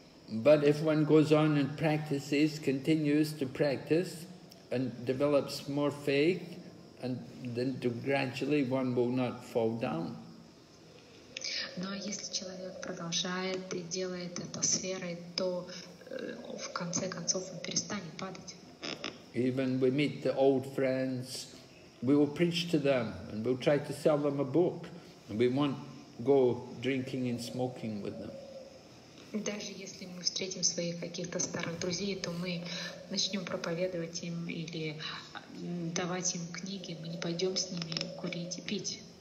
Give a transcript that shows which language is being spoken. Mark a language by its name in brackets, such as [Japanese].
[English] But if one goes on and practices, continues to practice, and develops more faith, and then gradually one will not fall down. [Russian] Но если человек продолжает и делает это с верой, то в конце концов он перестанет падать. [English] Even we meet the old friends, we will preach to them and we'll try to sell them a book. And we won't go drinking and smoking with them. [Russian] Даже если мы встретим своих каких-то старых друзей, то мы начнем проповедовать им или давать им книги, мы не пойдем с ними курить и пить.